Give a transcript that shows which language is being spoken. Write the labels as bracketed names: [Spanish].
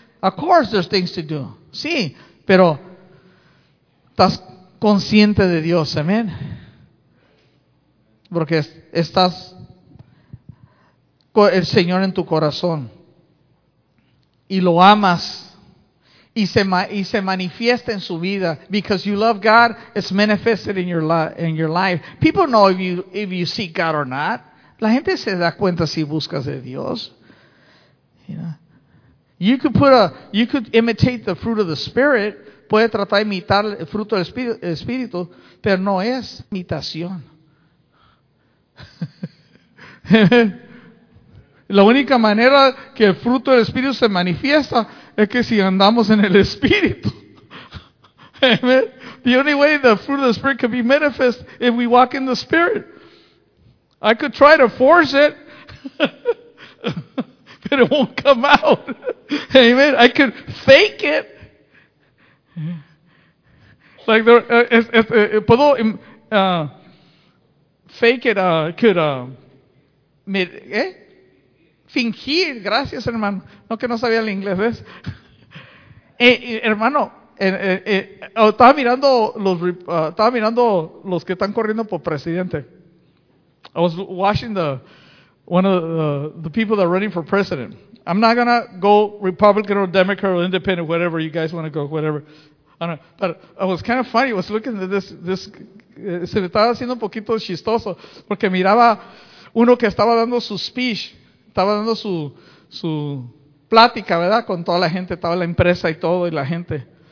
[English] Of course there's things to do. [Spanish] Sí, pero estás consciente de Dios, amén. Porque estás con el Señor en tu corazón y lo amas y se manifiesta en su vida. [English] Because you love God, it's manifested in your life. People know if you seek God or not. [Spanish] La gente se da cuenta si buscas de Dios. Yeah. [English] You could imitate the fruit of the Spirit. [Spanish] Puede tratar de imitar el fruto del Espíritu, pero no es imitación. La única manera que el fruto del Espíritu se manifiesta es que si andamos en el Espíritu. Amen. [English] The only way the fruit of the Spirit can be manifest is if we walk in the Spirit. I could try to force it. But it won't come out. Amen. I could fake it. [Spanish] Like fingir. Gracias, hermano. No que no sabía el inglés. Estaba mirando los que están corriendo por presidente. [English] I was watching one of the people that are running for president. I'm not going to go Republican or Democrat or Independent, whatever you guys want to go, whatever. I don't, but it was kind of funny. I was looking at this. [Spanish] Se me estaba haciendo un poquito chistoso porque miraba uno que estaba dando su speech. Estaba dando su plática, ¿verdad? Con toda la gente. Estaba la empresa y todo y la gente.